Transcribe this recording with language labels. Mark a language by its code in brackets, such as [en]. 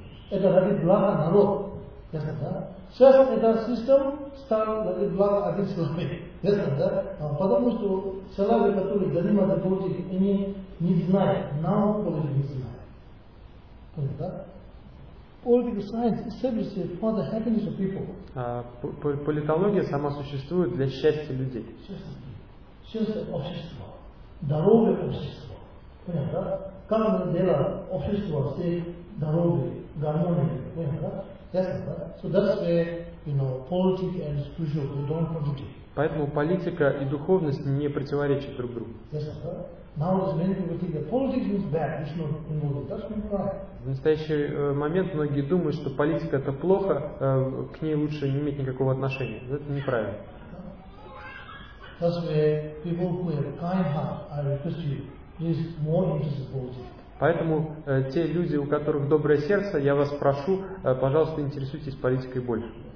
[ru] Это ради блага народа. Ясно, да? Сейчас эта система стала ради блага один человек. Ясно, да? Потому что человек, который занимается политикой, они не знают, нам политики не знают. [en] Political science serves for the happiness of people. [ru] Политология сама существует для счастья людей. Счастье общества. Здоровье общества. Понятно, да? Как дело общества, все здоровье, гармония. Понятно, да? Ясно, да? [en] So that's where, you know, politics and spiritual, we don't contradict. [ru] Поэтому политика и духовность не противоречат друг другу. [en] Now as many people think that politics is bad, it's not immoral. That's not right. [ru] В настоящий момент многие думают, что политика это плохо, к ней лучше не иметь никакого отношения. Это неправильно. [en] That's where people who have kind heart, I request you, is more interested in politics. [ru] Поэтому те люди, у которых доброе сердце, я вас прошу, пожалуйста, интересуйтесь политикой больше.